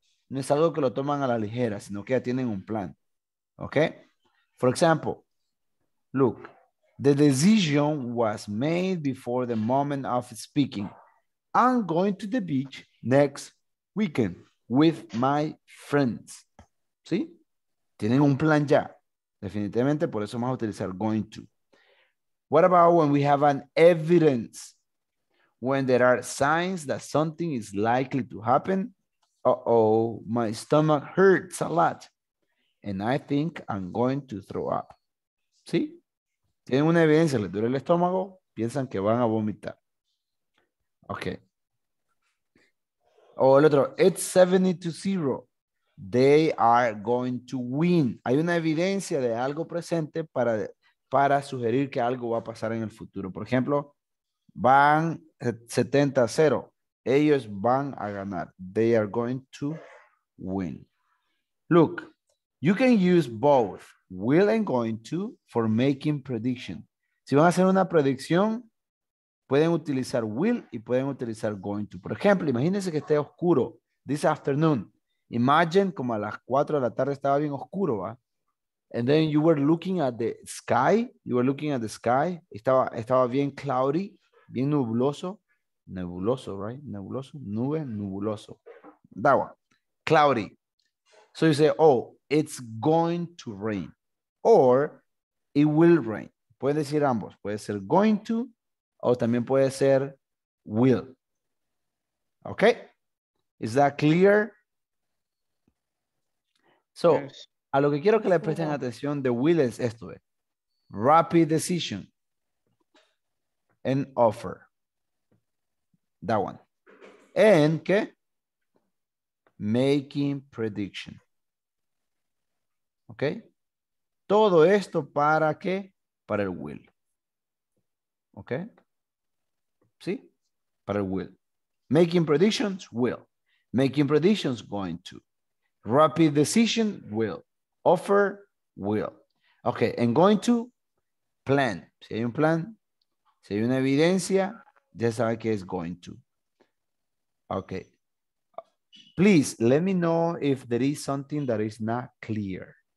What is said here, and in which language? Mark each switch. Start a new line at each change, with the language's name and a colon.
Spanish: No es algo que lo toman a la ligera, sino que ya tienen un plan.
English: Okay, for example, look, the decision was made before the moment of speaking. I'm going to the beach next weekend with my friends.
Spanish: ¿Sí? Tienen un plan ya. Definitivamente, por eso vamos a utilizar going to.
English: What about when we have an evidence? When there are signs that something is likely to happen? Uh-oh, my stomach hurts a lot. And I think I'm going to throw up.
Spanish: ¿Sí? Tienen una evidencia, les duele el estómago, piensan que van a vomitar. Okay. O el otro,
English: it's 70-0. They are going to win.
Spanish: Hay una evidencia de algo presente para sugerir que algo va a pasar en el futuro. Por ejemplo, van 70-0. Ellos van a ganar.
English: They are going to win. Look. You can use both will and going to for making prediction.
Spanish: Si van a hacer una predicción, pueden utilizar will y pueden utilizar going to. Por ejemplo, imagínense que esté oscuro
English: this afternoon.
Spanish: Imagine como a las 4 de la tarde estaba bien oscuro, ¿va?
English: And then you were looking at the sky. You were looking at the sky.
Spanish: Estaba bien
English: cloudy,
Spanish: bien nubloso. Nebuloso,
English: right? Nebuloso.
Spanish: Nube, nubuloso.
English: That one. Cloudy. So you say, oh, it's going to rain. Or it will rain.
Spanish: Puede decir ambos. Puede ser going to o también puede ser will.
English: Okay? Is that clear? So, yes.
Spanish: A lo que quiero que le presten atención de will es esto.
English: Rapid decision and offer. That one. And
Spanish: ¿qué?
English: Making prediction. Okay.
Spanish: Todo esto para qué? Para el will. Okay. ¿Sí? Para el will.
English: Making predictions, will. Making predictions, going to. Rapid decision, will. Offer, will. Okay, and going to, plan.
Spanish: Si hay un plan, si hay una evidencia, ya sabe que es going to.
English: Okay. Please, let me know if there is something that is not clear.